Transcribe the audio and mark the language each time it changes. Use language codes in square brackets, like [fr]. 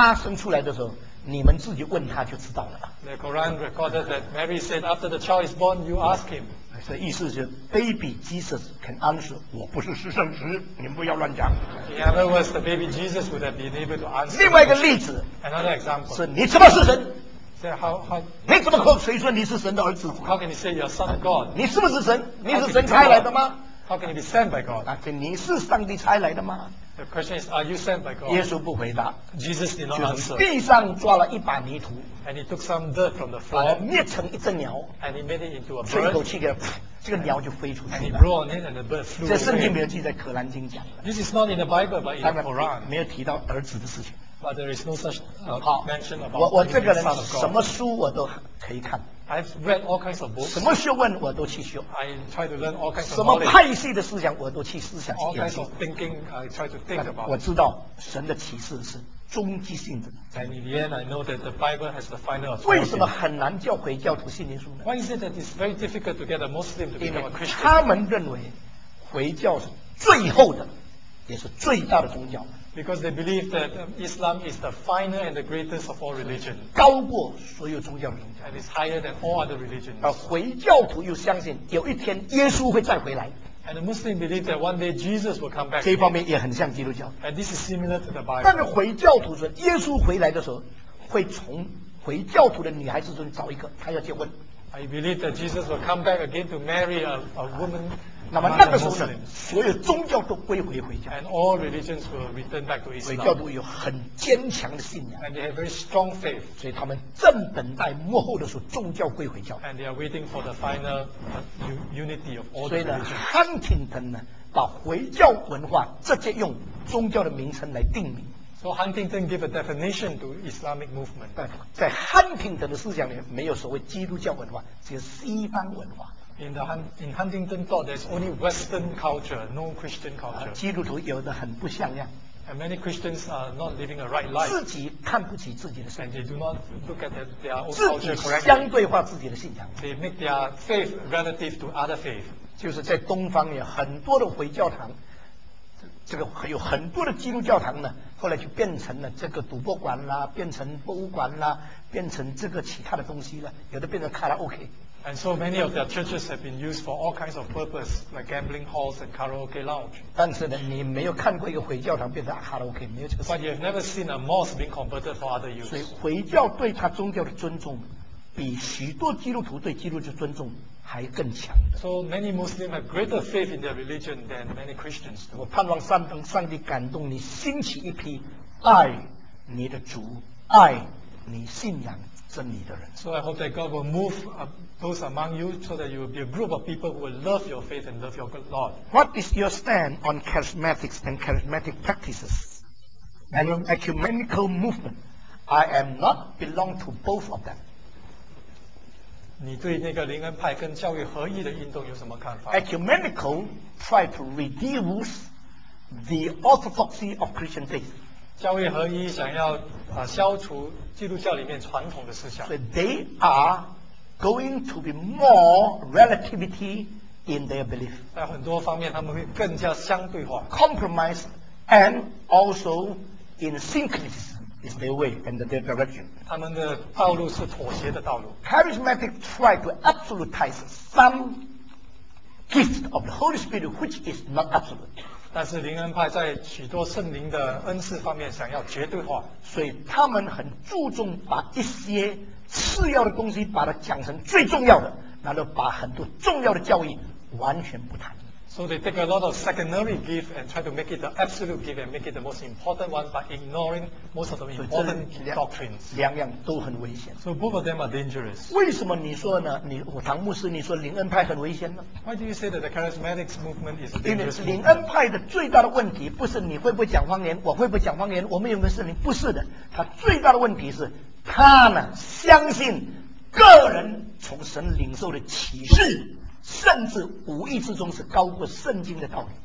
[zh] 可兰经里面说，玛利亚回答说，当他生出来的时候，你们自己问他就知道了。 [en] The Quran recorded that Mary said, after the child is born, you ask him. [zh] 所以意思就是 [en] baby Jesus can answer, [zh] 我不是私生子，你们不要乱讲。 [en] In other words, the baby Jesus would have been able to answer. [zh] 另外一个例子， [en] another example. [zh] 是你怎么是神？ [en] So [zh] 你怎么可以说你是神的儿子？ [en] How can you say you're son of God? [zh] 你是不是神？你是神差来的吗？ [en] How can you be sent by God? [zh] 你是上帝差来的吗？ [en] The question is, are you sent by God? [zh] 耶稣不回答。 [en] Jesus did not answer. [zh] 地上抓了一把泥土。 [en] And he took some dirt from the floor. [zh] 捏成一只鸟。 [en] And he made it into a bird. [zh] 吹一口气，这个鸟就飞出去了。 [en] And he blew on it, and the bird flew away. [zh] 这圣经没有记载，可兰经讲。 [en] This is not in the Bible, but in the Quran. [zh] 没有提到儿子的事情。 [en] But there is no such mention about the Son of God. I've read all kinds of books. [zh] 什么学问我都去修。 [en] I try to learn all kinds of knowledge. [zh] 什么派系的思想我都去思想。 [en] All kinds of thinking, I try to think about. [zh] 我知道神的启示是终极性质。 [en] And in the end, I know that the Bible has the final authority. [zh] 为什么很难叫回教徒信耶稣呢？ [en] Why is it that it's very difficult to get a Muslim to become a Christian? [zh] 他们认为回教是最后的，也是最大的宗教。 [en] Because they believe that Islam is the final and the greatest of all religions. [zh] 高过所有宗教的宗教。 [en] And it's higher than all other religions. [zh] 而回教徒又相信有一天耶稣会再回来。 [en] And the Muslim believe that one day Jesus will come back. [zh] 这方面也很像基督教。 [en] And this is similar to the Bible. [zh] 但是回教徒说，耶稣回来的时候，会从回教徒的女孩子中找一个，他要结婚。 [en] I believe that Jesus will come back again to marry a woman. [zh] 那么那个时候呢，所有宗教都归回回教。 [en] And all religions will return back to Islam. [zh] 回教徒有很坚强的信仰。 [en] And they have very strong faith. [zh] 所以他们正等待幕后的时候，宗教归回教。 [en] And they are waiting for the final unity of all [zh] religions. 所以呢 ，Huntington 呢，把回教文化直接用宗教的名称来定名。 [en] So Huntington gave a definition to Islamic movement. [zh] 在 Huntington 的思想里面，没有所谓基督教文化，只有西方文化。 [en] In Huntington thought, there's only Western culture, no Christian culture. [zh] 基督徒有的很不像样。 [en] And many Christians are not living a right life. [zh] 自己看不起自己的信仰。 [en] And they do not look at their own culture correctly. [zh] 自己相对化自己的信仰。 [en] They make their faith relative to other faith. [zh] 就是在东方有很多的回教堂，这个有很多的基督教堂呢，后来就变成了这个赌博馆啦，变成博物馆啦，变成这个其他的东西了，有的变成卡拉 OK。 [en] And so many of their churches have been used for all kinds of purpose, like gambling halls and karaoke lounge. [zh] 但是呢，你没有看过一个回教堂变成卡拉 OK， 没有这个。 [en] But you've never seen a mosque being converted for other use. [zh] 所以回教对他宗教的尊重，比许多基督徒对基督的尊重还更强。 [en] So many Muslims have greater faith in their religion than many Christians. [zh] 我盼望上帝感动你，兴起一批爱你的主、爱你信仰真理的人。 [en] So I hope that God will move those among you so that you will be a group of people who will love your faith and love your good Lord. What is your stand on charismatics and charismatic practices and ecumenical movement? I am not belong to both of them. [zh] 你对那个灵恩派跟教育合一的运动有什么看法？ [en] Ecumenical try to reduce the orthodoxy of Christian faith. [zh] 教育合一想要消除基督教里面传统的思想。 [en] So they are going to be more relativity in their belief. [zh] 在很多方面他们会更加相对化。 [en] Compromise and also in syncretism is their way and their direction. [zh] 他们的道路是妥协的道路。 [en] Charismatic try to absolutize some gift of the Holy Spirit which is not absolute. [zh] 但是灵恩派在许多圣灵的恩赐方面想要绝对化，所以他们很注重把一些次要的东西把它讲成最重要的，然后把很多重要的教义完全不谈。 [en] So they take a lot of secondary gift and try to make it the absolute gift and make it the most important one by ignoring most of the important doctrines. [zh] 两样都很危险。 [en] So both of them are dangerous. [zh] 为什么你说呢？你我唐牧师，你说灵恩派很危险呢 [en] ？Why do you say that the charismatics movement is dangerous? [zh] 因为灵恩派的最大的问题不是你会不会讲方言，我会不会讲方言，我们有没有圣灵？不是的，他最大的问题是他呢相信个人从神领受的启示，甚至无意之中是高过圣经的道理。